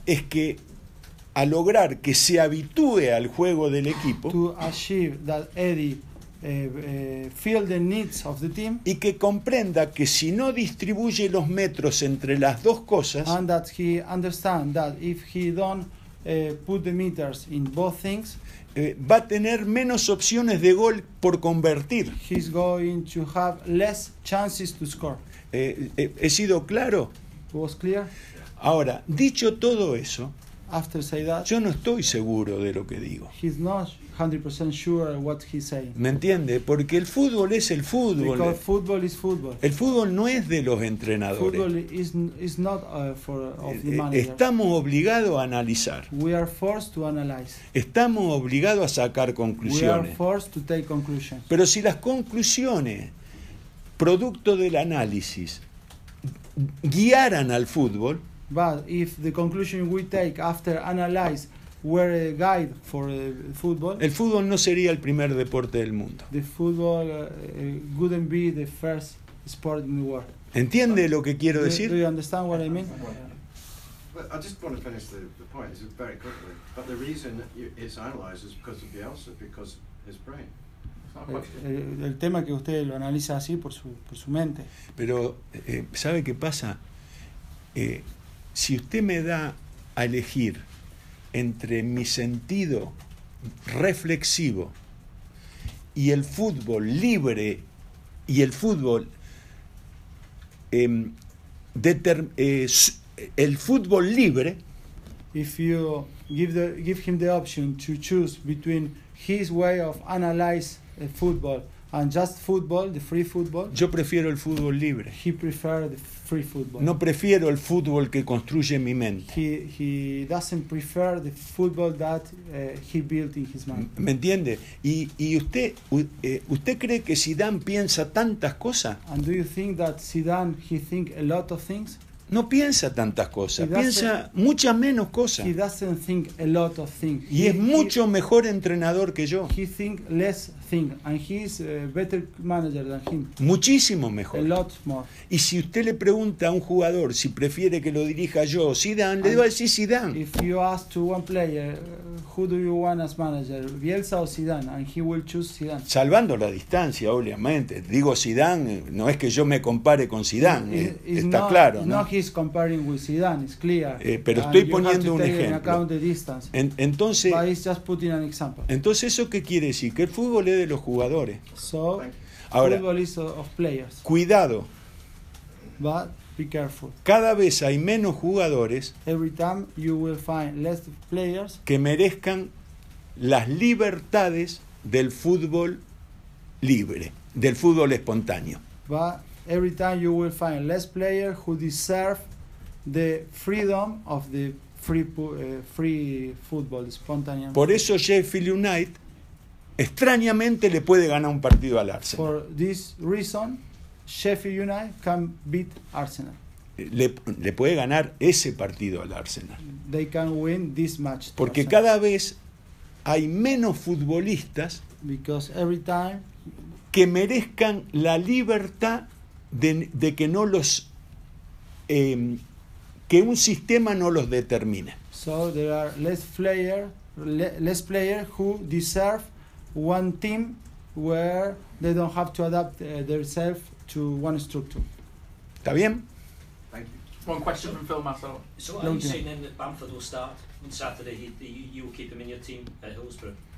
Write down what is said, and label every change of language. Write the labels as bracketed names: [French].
[Spanish] Es que a lograr que se habitúe al juego del equipo. [English] To achieve that Eddie feel the needs of the team. [Spanish] Y que comprenda que si no distribuye los metros entre las dos cosas. [English] And that he understand that if he don't put the meters in both things. [Spanish] Va a tener menos opciones de gol por convertir. [English] He's going to have less chances to score. [Spanish] He sido claro. [English] Was clear. [Spanish] Ahora, dicho todo eso, [English] after say that, [Spanish] yo no estoy seguro de lo que digo. [English] He's not 100% sure what he's saying. [Spanish] ¿Me entiende? Porque el fútbol es el fútbol. [English] Because football is football. [Spanish] El fútbol no es de los entrenadores. [English] Football is not for of the manager. [Spanish] Estamos obligados a analizar. [English] We are forced to analyze. [Spanish] Estamos obligados a sacar conclusiones. [English] We are forced to take conclusions. [Spanish] Pero si las conclusiones, producto del análisis, guiaran al fútbol. [English] But if the conclusion we take after analyze were a guide for football. [Spanish] El fútbol no sería el primer deporte del mundo. [English] The football wouldn't be the first sport in the world. [Spanish] ¿Entiende lo que quiero decir? [English] Do you understand what I mean? Well, I just want to finish the point very quickly. But the reason it's analyzed is because of Bielsa, because of his brain. [Spanish] El tema que usted lo analiza así por su mente. Pero ¿sabe qué pasa? Si usted me da a elegir entre mi sentido reflexivo y el fútbol libre y el fútbol el fútbol libre, [English] if you give him the option to choose between his way of analyze football and just football, the free football, [Spanish] yo prefiero el fútbol libre. [English] He prefer the free football. [Spanish] No prefiero el fútbol que construye mi mente. [English] He doesn't prefer the football that he built in his mind. [Spanish] ¿Me entiende? Y usted cree que Zidane piensa tantas cosas? [English] And do you think that Zidane he think a lot of things? [Spanish] No piensa tantas cosas, piensa muchas menos cosas. [English] He doesn't think a lot of things. [Spanish] Y es mucho mejor entrenador que yo. [English] He think less thing and he is a better manager than him. [Spanish] Muchísimo mejor. [English] A lot more. [Spanish] Y si usted le pregunta a un jugador si prefiere que lo dirija yo o Zidane, le va a decir Zidane. [English] If you ask to one player, who do you want as manager, Bielsa o Zidane, and he will choose Zidane. [Spanish] Salvando la distancia, obviamente. Digo Zidane, no es que yo me compare con Zidane, está [English] not, [Spanish] claro, ¿no? [English] He's comparing with Zidane, it's clear. [Spanish] Pero estoy poniendo un ejemplo. [English] You have to take an account the distance. [Spanish] Entonces, [English] but it's just putting an example. [Spanish] Entonces, ¿eso qué quiere decir? Que el fútbol es de los jugadores. [English] So, [Spanish] ahora, [English] football is of players. [Spanish] Cuidado. [English] But be careful. [Spanish] Cada vez hay menos jugadores. [English] Every time you will find less players [Spanish] que merezcan las libertades del fútbol libre, del fútbol espontáneo. [English] But every time you will find less players who deserve the freedom of the free football, spontaneous. [Spanish] Por eso Sheffield United extrañamente le puede ganar un partido al Arsenal. [English] For this reason, Sheffield United can beat Arsenal. [Spanish] Le puede ganar ese partido al Arsenal. [English] They can win this match. [Spanish] Porque cada vez hay menos futbolistas [English] because every time [Spanish] que merezcan la libertad de que no los que un sistema no los determine. [English] So there are less players who deserve one team where they don't have to adapt themselves to one structure. [Spanish] ¿Está bien? [English] One question from Phil Massa. So are you saying then that Bamford will start on Saturday? You will keep him in your team at Hillsborough?